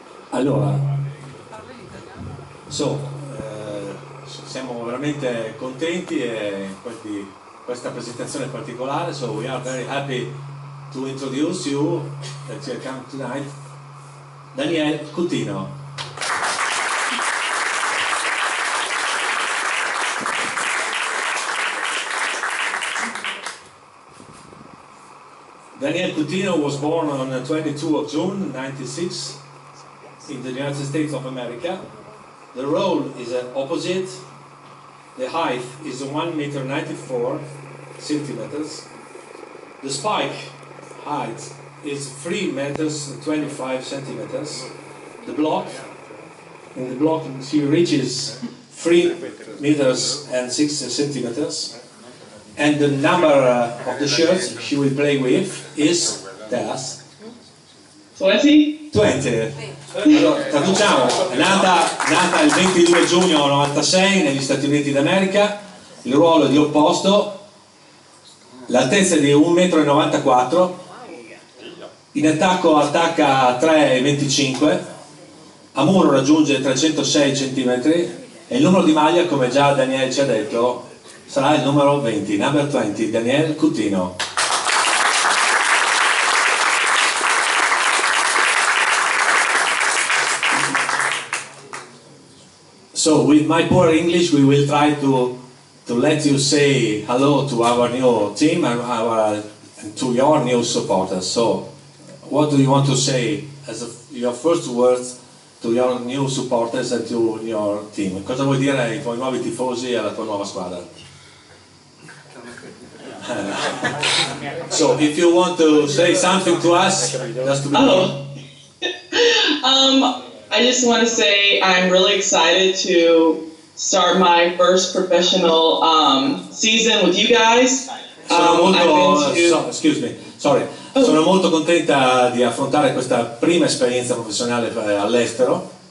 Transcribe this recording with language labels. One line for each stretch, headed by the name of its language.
Italian: Allora, siamo veramente contenti di questa presentazione particolare.
English: So we are very happy to introduce you that you come tonight, Danielle Cuttino. Danielle Cuttino was born on the 22 of June 1996 in the United States of America. The role is an opposite. The height is 1 meter 94 centimeters. The spike height is 3 meters 25 centimeters. The block, in the block she reaches 3 meters and 6 centimeters. And the number of the shirts she will play with is, tell us. 20?
Italian: 20. Allora, traduciamo. È nata il 22 giugno 96 negli Stati Uniti d'America, il ruolo di opposto, l'altezza di 1,94 m, in attacco attacca 3,25 m, a muro raggiunge 306 cm e il numero di maglia, come già Daniel ci ha detto, sarà il numero 20,
English: number 20,
Italian: Danielle Cuttino.
English: So with my poor English, we will try to let you say hello to our new team and to your new supporters. So what do you want to say as your first words to your new supporters and to your team?
Italian: Cosa vuoi dire ai tuoi nuovi tifosi e alla tua nuova squadra?
English: So if you want to say something to us, just to be hello. I just want to say I'm really excited to start my first professional season with you guys.
Italian: Sono molto contenta di affrontare questa prima esperienza professionale all'estero.